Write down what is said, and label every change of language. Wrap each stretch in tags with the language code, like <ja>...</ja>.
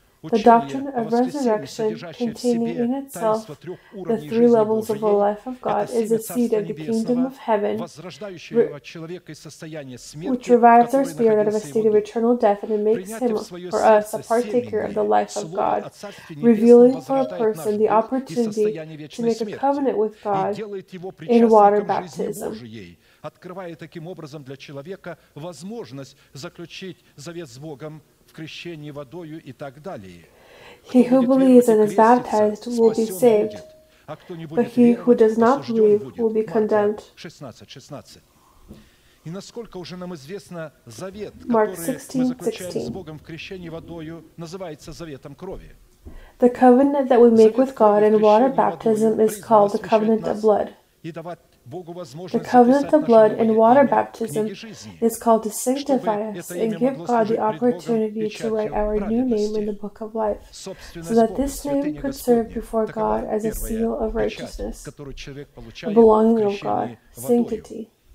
<en>The doctrine of resurrection, containing in itself the three levels of the life of God, is a seed of the kingdom of heaven, which revives our spirit out of a state of eternal death, and it makes him, for us, a partaker of the life of God, revealing for a person the opportunity to make a covenant with God in water baptism.</en> <ru>Открывая таким образом для человека возможность заключить завет с Богом в крещении водою и так далее.</ru> <en>He who believes and is baptized will be saved, but he who does not believe will be condemned. 16:16.</en> <ru>И насколько уже нам известно, завет, который мы заключаем с Богом в крещении водою, называется заветом крови.</ru> <en>The covenant that we make with God in water baptism is called the covenant of blood. The covenant of blood in water baptism is called to sanctify us and give God the opportunity to write our new name in the book of life, so that this name could serve before God as a seal of righteousness, a belonging of God, sanctity.</en>